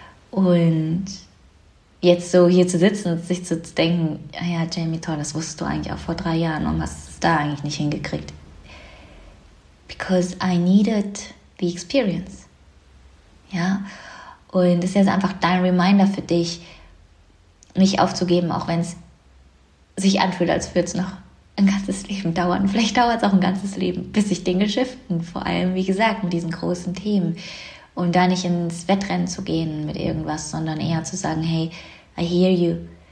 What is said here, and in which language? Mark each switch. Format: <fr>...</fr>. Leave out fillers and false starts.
<de>Und jetzt so hier zu sitzen und sich zu denken, ja, Jamie, toll, das wusstest du eigentlich auch vor 3 Jahren und hast es da eigentlich nicht hingekriegt.</de> <en>Because I needed the experience.</en> <de>Ja, und das ist jetzt einfach dein Reminder für dich, nicht aufzugeben, auch wenn es sich anfühlt, als würde es noch ein ganzes Leben dauern. Vielleicht dauert es auch ein ganzes Leben, bis sich Dinge shiften. Vor allem, wie gesagt, mit diesen großen Themen. Und da nicht ins Wettrennen zu gehen mit irgendwas, sondern eher zu sagen, hey,</de> <en>I hear you.</en>